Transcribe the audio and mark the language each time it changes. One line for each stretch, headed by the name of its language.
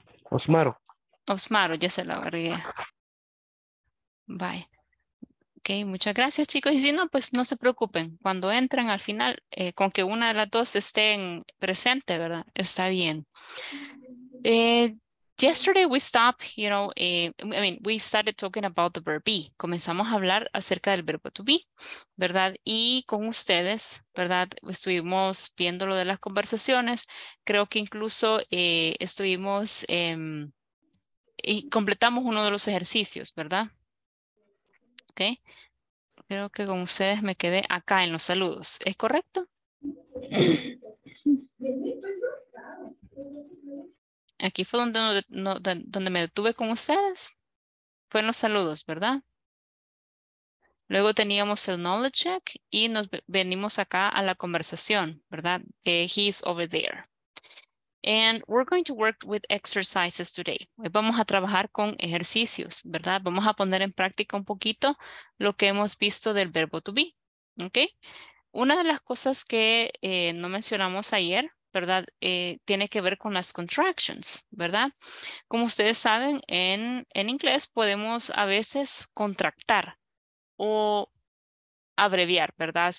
Spanish: Osmaro. Osmaro, ya se lo agregué. Bye. Ok, muchas gracias, chicos. Y si no, pues no se preocupen. Cuando entran al final, con que una de las dos estén presente, ¿verdad? Está bien.
English: Yesterday we stopped, you know, we started talking about the verb be.
Spanish: Comenzamos a hablar acerca del verbo to be, ¿verdad? Y con ustedes, ¿verdad? Estuvimos viendo lo de las conversaciones. Creo que incluso estuvimos y completamos uno de los ejercicios, ¿verdad? Ok. Creo que con ustedes me quedé acá en los saludos. ¿Es correcto? Aquí fue donde me detuve con ustedes. Fueron los saludos, ¿verdad? Luego teníamos el knowledge check y nos venimos acá a la conversación, ¿verdad?
English: He's over there. And we're going to work with exercises today.
Spanish: Hoy vamos a trabajar con ejercicios, ¿verdad? Vamos a poner en práctica un poquito lo que hemos visto del verbo to be, ¿ok? Una de las cosas que no mencionamos ayer, ¿verdad? Tiene que ver con las contractions, ¿verdad? Como ustedes saben, en inglés podemos a veces contractar o abreviar, ¿verdad?